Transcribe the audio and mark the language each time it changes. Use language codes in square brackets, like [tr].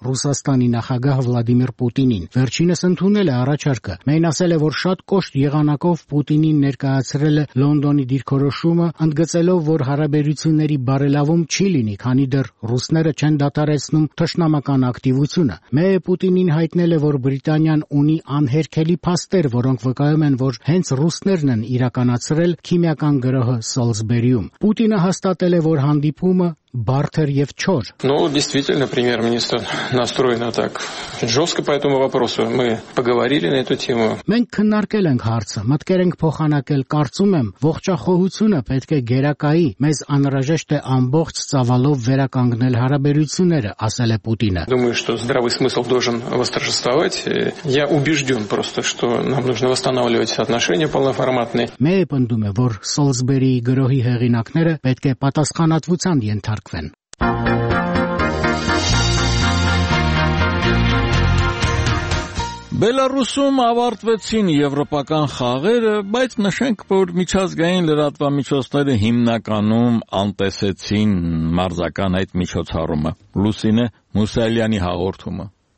[hy] Ռուսաստանի նախագահ Վլադիմիր Պուտինին։ Վերջինս ընդունել է առաջարկը։ Մեյն ասել է, որ շատ կոշտ եղանակով Պուտինին ներկայացրել է Լոնդոնի դիրքորոշումը, ընդգծելով, որ հարաբերությունների բարելավում չի լինի, քանի դեռ ռուսները չեն դադարեցնում թշնամական ակտիվությունը։ Մեյը Պուտինին հայտնել է, որ Բրիտանիան ունի անհերքելի փաստեր, որոնք վկայում են, որ հենց ռուսներն են իրականացրել քիմիական գրոհը Սոլսբերիում։ Պուտինը հաստատել է, որ հանդիպումը [ru] Бартер и Вчор. Ну, действительно, премьер-министр настроен так жестко по этому вопросу. Мы поговорили на эту тему. [hy] Մենք քննարկել ենք հարցը, մտքեր ենք փոխանակել, կարծում եմ, ողջախոհությունը պետք է գերակայի, մեզ անհրաժեշտ է ամբողջ ծավալով վերականգնել հարաբերությունները, ասել է Պուտինը. [ru] Думаю, что здравый смысл должен восторжествовать. Я убежден просто, что нам нужно восстанавливать отношения полноформатные. [hy] Մեր պնդումը, որ Սոլսբերիի գրոհի հեղինակները պետք է պատասխանատվության ենթարկվեն։ Բելարուսում ավարտվեցին եվրոպական խաղերը, բայց նշենք, որ միջազգային լրատվամիջոցները հիմնականում անտեսեցին մարզական այդ միջոցառումը։ Լուսինե Մուսալյանի հաղորդումը։